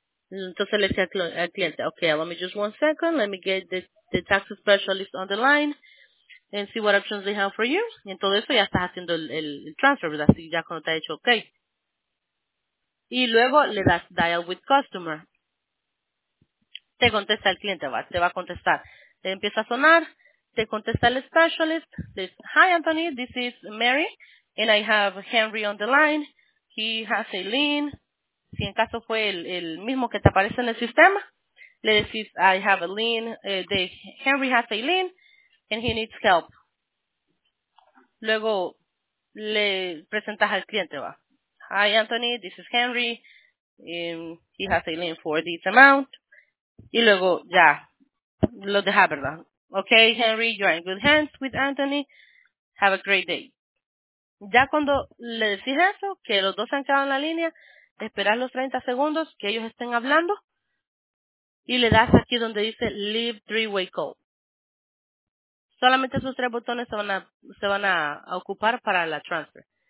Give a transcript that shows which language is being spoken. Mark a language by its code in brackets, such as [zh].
[es] Entonces le decía al cliente, [en] okay, let me just one second, let me get the tax specialist on the line and see what options they have for you. [es] Y en todo eso ya estás haciendo el transfer, ¿verdad? Así ya cuando te ha dicho okay. Y luego le das [en] dial with customer. [es] Te contesta el cliente, va, te va a contestar. Te empieza a sonar, te contesta el specialist. [en] Says, hi Anthony, this is Mary and I have Henry on the line. He has a lien. [es] Si en caso fue el mismo que te aparece en el sistema, le decís, [en] I have a lien. Henry has a lien. And he needs help. [es] Luego le presentas al cliente, va. [en] Hi, Anthony, this is Henry. He has a lien for this amount. [es] Y luego ya lo deja, ¿verdad? [en] Okay, Henry, you're in good hands with Anthony. Have a great day. [es] Ya cuando le decís eso, que los dos se han quedado en la línea, esperas los 30 segundos que ellos estén hablando y le das aquí donde dice [en] leave three-way call. [es] Solamente esos tres botones se van a ocupar para la transfer.